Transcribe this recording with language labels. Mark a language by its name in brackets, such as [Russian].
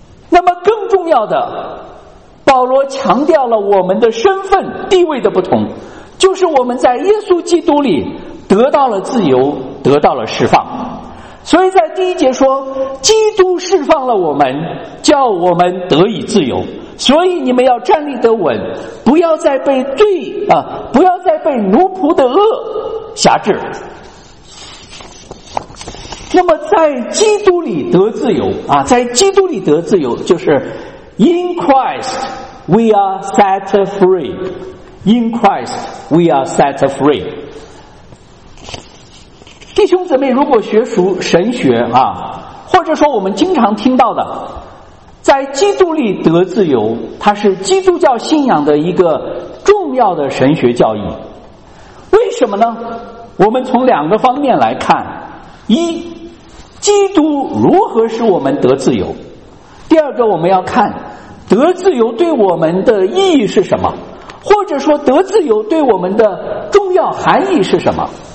[Chinese] 那么更重要的，保罗强调了我们的身份地位的不同，就是我们在耶稣基督里得到了自由，得到了释放。所以在第一节说，基督释放了我们，叫我们得以自由，所以你们要站立得稳，不要再被罪不要再被奴仆的恶辖制。那么在基督里得自由在基督里得自由，就是 [English] In Christ we are set free, [Chinese] In Christ we are set free。弟兄姊妹，如果学熟神学或者说我们经常听到的在基督里得自由，它是基督教信仰的一个重要的神学教义。为什么呢？我们从两个方面来看，一，基督如何使我们得自由，第二个我们要看得自由对我们的意义是什么，或者说得自由对我们的重要含义是什么。